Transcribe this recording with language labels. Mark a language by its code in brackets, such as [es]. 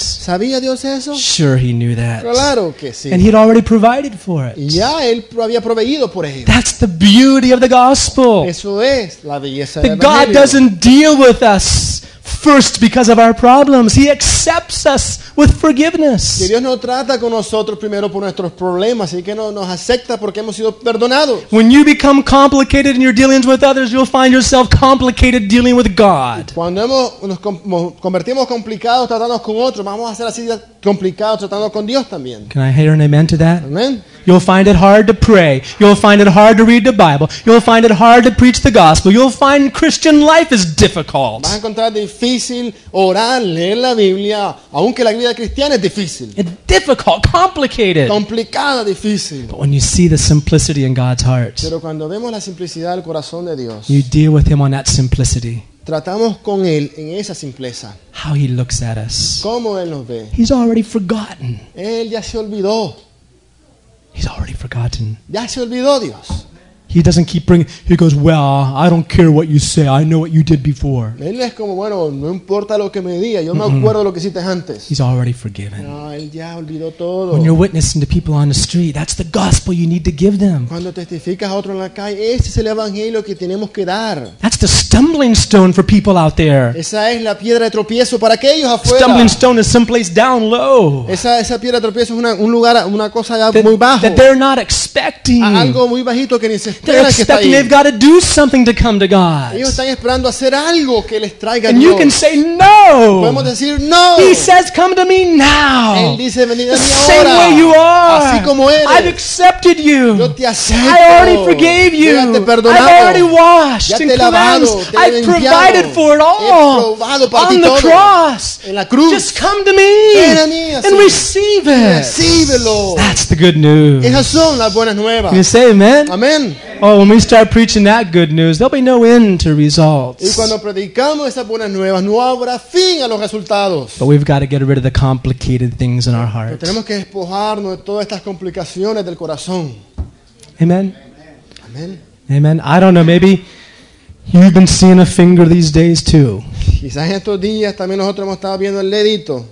[es] ¿Sabía Dios eso? [en] Sure, he knew that. [es] Claro que sí. [en] And he'd already provided for it. [es] Ya él había proveído por ello. [en] That's the beauty of the gospel. [es] Eso es la belleza del evangelio. [en] God doesn't deal with us first because of our problems. He accepts us with forgiveness. [es] Que Dios no trata con nosotros primero por nuestros problemas, así que no nos acepta porque hemos sido perdonados. [en] When you become complicated in your dealings with others, you'll find yourself complicated dealing with God. [es] Cuando nos convertimos complicados tratando con otros, vamos a ser así complicados tratando con Dios también. [en] Can I hear an amen to that? Amen. You'll find it hard to pray. You'll find it hard to read the Bible. You'll find it hard to preach the gospel. You'll find Christian life is difficult. [es] Vas a encontrar difícil orar, leer la Biblia, aunque la vida cristiana es difícil. [en] It's difficult, complicated. [es] Complicada, difícil. [en] But when you see the simplicity in God's heart, [es] pero cuando vemos la simplicidad del corazón de Dios, [en] you deal with Him on that simplicity. [es] Tratamos con Él en esa simpleza. [en] How He looks at us. [es] Cómo Él nos ve. [en] He's already forgotten. [es] Él ya se olvidó. [en] He's already forgotten. [es] Ya se olvidó Dios. [en] He doesn't keep bringing. He goes, well, I don't care what you say. I know what you did before. [es] Él es como, bueno, no importa lo que me diga. Yo me acuerdo lo que hiciste antes. [en] He's already forgiven. [es] No, él ya olvidó todo. [en] When you're witnessing to people on the street, that's the gospel you need to give them. [es] Cuando testificas a otro en la calle, ese es el evangelio que tenemos que dar. [en] That's the stumbling stone for people out there. [es] Esa es la piedra de tropiezo para aquellos afuera. [en] Stumbling stone is someplace down low. [es] Esa piedra de tropiezo es un lugar, una cosa muy bajo. [en] That they're not expecting. [es] Algo muy bajito que ni se. [en] They're expecting they've got to do something to come to God. [es] Ellos están esperando hacer algo que les traiga. [en] And you can say no. [es] Podemos decir no. [en] He says, "Come to me now." [es] Él dice, venid a mí ahora. [en] Same way you are. [es] Así como eres. [en] I've accepted you. [es] Yo te acepto. [en] I already forgave you. [es] Ya te he perdonado. [en] I've already washed and [es] lavado, [en] cleansed. I've provided for it all. [es] He probado para ti todo. [en] On the cross. [es] En la cruz. [en] Just come to me. [es] Ven a mí así. [en] And receive it. [es] Recíbelo. [en] That's the good news. [es] Esas son las buenas nuevas. [en] You say amen. Amen. Oh, when we start preaching that good news, there'll be no end to results. [es] Y cuando predicamos esas buenas nuevas, no habrá fin a los resultados. [en] But we've got to get rid of the complicated things in our hearts. [es] Pero tenemos que despojarnos de todas estas complicaciones del corazón. [en] Amen. Amen. Amen. Amen. I don't know, maybe you've been seeing a finger these days too. [es] Quizás en estos días también nosotros hemos estado viendo el dedito.